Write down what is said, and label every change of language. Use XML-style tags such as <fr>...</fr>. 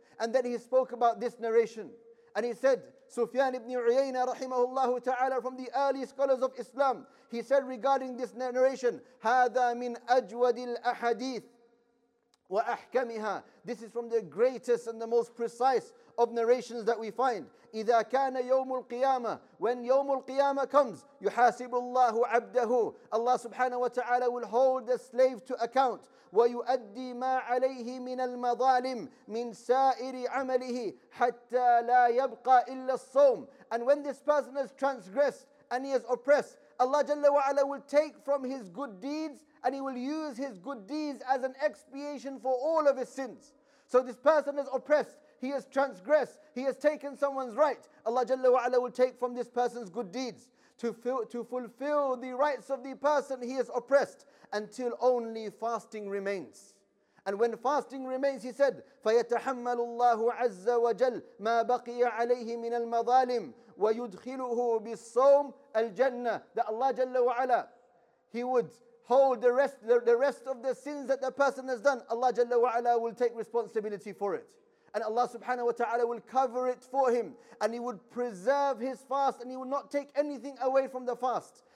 <en>And then he spoke about this narration. And he said, Sufyan ibn Uyayna rahimahullahu ta'ala, from the early scholars of Islam, he said regarding this narration,</en> <ar>هذا من أجود الأحاديث وأحكمها.</ar> <en>This is from the greatest and the most precise of narrations that we find.</en> <ar>إذا كان يوم القيامة,</ar> <en>when</en> <ar>يوم القيامة</ar> <en>comes,</en> <ar>يحاسب الله عبده,</ar> <en>Allah subhanahu wa ta'ala will hold the slave to account.</en> <ar>ويؤدي ما عليه من المظالم من سائر عمله حتى لا يبقى إلا الصوم.</ar> <en>And when this person has transgressed and he has oppressed, Allah jalla wa ala will take from his good deeds and he will use his good deeds as an expiation for all of his sins. So this person has oppressed, he has transgressed, he has taken someone's right. Allah jalla wa ala will take from this person's good deeds to fulfill the rights of the person he has oppressed until only fasting remains. And when fasting remains, he said,</en> <ar>فَيَتَحَمَّلُ اللَّهُ عَزَّ وَجَلْ مَا بَقِيَ عَلَيْهِ مِنَ الْمَظَالِمِ وَيُدْخِلُهُ بِالصَّوْمِ الْجَنَّةِ.</ar> <en>That Allah Jalla wa'ala, he would hold the rest of the sins that the person has done. Allah Jalla wa'ala will take responsibility for it. And Allah subhanahu wa ta'ala will cover it for him. And he would preserve his fast and he will not take anything away from the fast.</en>